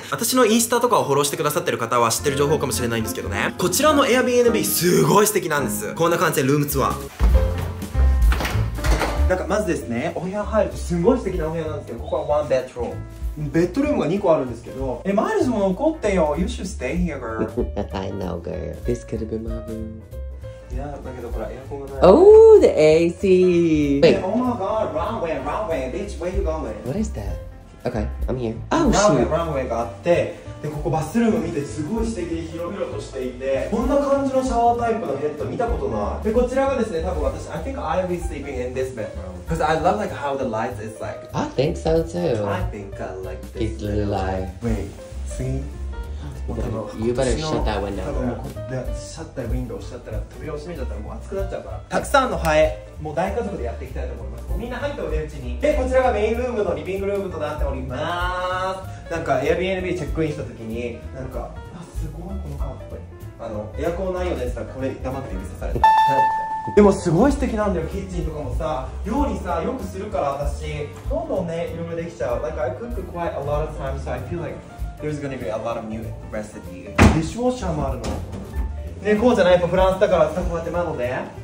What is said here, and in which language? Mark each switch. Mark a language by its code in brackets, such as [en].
[ja] 私のインスタとかをフォローしてくださってる方は知ってる情報かもしれないんですけどね、こちらの Airbnb すごい素敵なんです。こんな感じでルームツアー、なんかまずですね、お部屋入るとすごい素敵なお部屋なんですけど、ここはワンベッドルーム、ベッドルームが2個あるんですけど、え、マイルズも残ってよ、 [en] You should stay here girl. I know girl, this could be my room. [ja] いや、だけどほらエアコンがない。 [en] Oh, the AC. Wait. Oh my god, runway, runway, bitch, where you going? What is that? Okay, I'm here. Oh, runway, shoot. Runway, runway [ja] があって、で、ここバスルーム見てすごい素敵で広々としていて、こんな感じのシャワータイプのヘッド見たことない。で、こちらがですね、多分私 [en] I think I'll be sleeping in this bedroom because I love like how the lights is like. I think so too. I think I like this. It's a little light. Wait, see? You better shut that window. [ja] シャッターウィンドウしちゃったら、扉を閉めちゃったらもう暑くなっちゃうから。たくさんのハエ、もう大家族でやっていきたいと思います。みんな入っておるうちに。で、こちらがメインルームのリビングルームとなっております。なんか Airbnb チェックインしたときに、なんか、あ、すごいこのカーペット。エアコンないようですから、これ黙って見せされて。でもすごい素敵なんだよ、キッチンとかもさ、料理さ、よくするから私、どんどんね、いろいろできちゃう。なんか、 [en] I cook quite a lot of time, so I feel like.There's gonna be a lot of new recipes. [ja] ディッシュウォッシャーもあるの。ね、こうじゃない、やっぱフランスだからさ、こうやって窓で